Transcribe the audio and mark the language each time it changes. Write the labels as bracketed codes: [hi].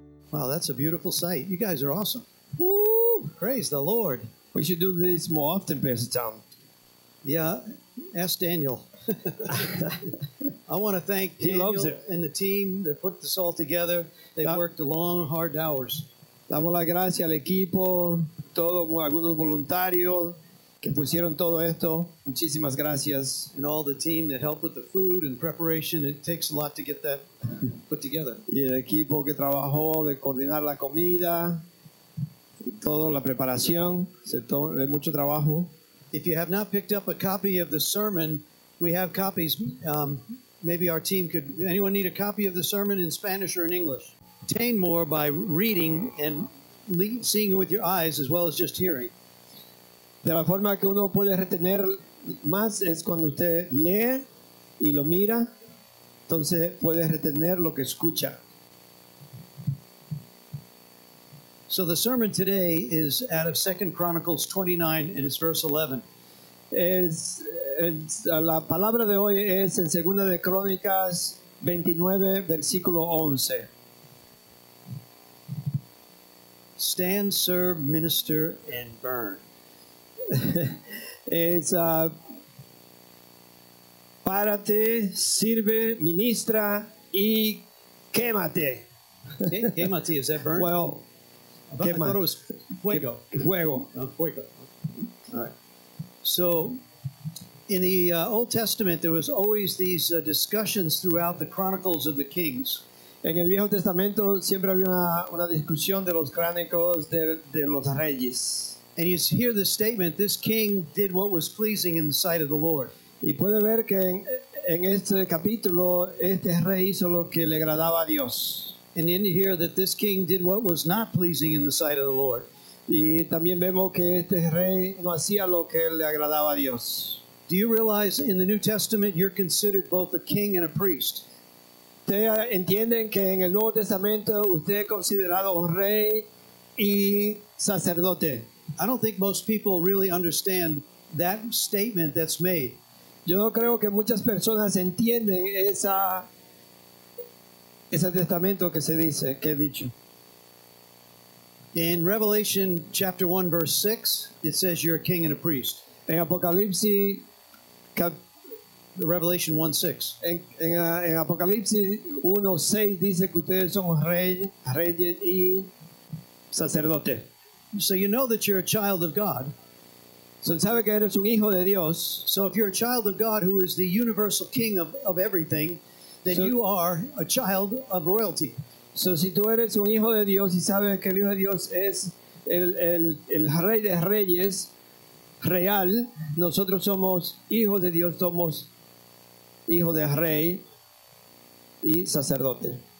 [en] Wow, that's a beautiful sight. You guys are awesome. Woo! Praise the Lord. We should do this more often, Pastor Tom. Yeah, ask Daniel. I want to thank Daniel and the team that put this all together. They've worked long, hard hours. [es] Damos las gracias al equipo, algunos voluntarios que pusieron todo esto. Muchísimas gracias. [en] And all the team that helped with the food and preparation. It takes a lot to get that put together. [es] Y el equipo que trabajó de coordinar la comida, toda la preparación, es mucho trabajo. [en] If you have not picked up a copy of the sermon, we have copies. Maybe our team could, anyone need a copy of the sermon in Spanish or in English? Obtain more by reading and seeing with your eyes as well as just hearing. [es] De la forma que uno puede retener más es cuando usted lee y lo mira, entonces puede retener lo que escucha. [en] So the sermon today is out of 2 Chronicles 29 and it's verse 11. [es] La palabra de hoy es en 2 de Crónicas 29, versículo 11. [en] Stand, serve, minister, and burn. [es] Es párate, sirve, ministra, y quémate. [en] Quémate, is that burn? Well, [es] quema. [en] I thought it was fuego. [es] Fuego. [en] No, fuego. All right. So, in the Old Testament, there was always these discussions throughout the Chronicles of the Kings. [es] En el Viejo Testamento siempre había una discusión de los crónicos de los reyes. [en] And you hear the statement, this king did what was pleasing in the sight of the Lord. [es] Y puede ver que en este capítulo, este rey hizo lo que le agradaba a Dios. [en] And then you hear that this king did what was not pleasing in the sight of the Lord. [es] Y también vemos que este rey no hacía lo que le agradaba a Dios. [en] Do you realize in the New Testament you're considered both a king and a priest? [es] ¿Entienden que en el Nuevo Testamento usted es considerado rey y sacerdote? [en] I don't think most people really understand that statement that's made. [es] Yo no creo que muchas personas entienden ese testamento que se dice, que he dicho. [en] In Revelation chapter 1 verse 6, it says you're a king and a priest. [es] En Apocalipsis [en] Revelation 1:6. [es] En Apocalipsis 1:6 dice que ustedes son reyes y sacerdote. [en] So you know that you're a child of God. [es] So sabe que eres un hijo de Dios. [en] So if you're a child of God, who is the universal king of everything, then you are a child of royalty. [es] So si tú eres un hijo de Dios y sabes que el hijo de Dios es el rey de reyes real, nosotros somos hijos de Dios, somos hijo de rey y sacerdote.